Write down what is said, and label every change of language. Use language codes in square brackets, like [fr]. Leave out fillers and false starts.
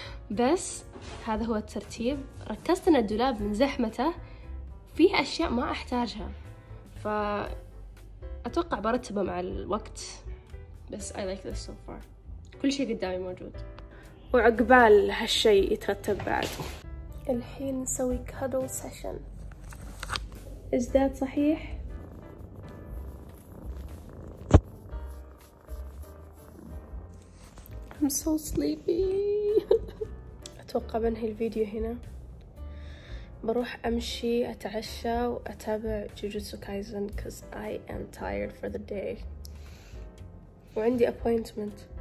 [ar] بس هذا هو الترتيب. ركزت إن الدولاب من زحمته فيه أشياء ما أحتاجها، ف أتوقع برتبه مع الوقت، بس [en] I like this so far. [ar] كل شيء قدامي موجود وعقبال هالشيء يترتب بعد. الحين نسوي كادل سيشن. [en] Is that [ar] صحيح؟ [en] I'm so sleepy. [ar] أتوقع بنهي الفيديو هنا، بروح أمشي أتعشى وأتابع جوجوتسو كايزن [en] because I am tired for the day [ar] وعندي appointment.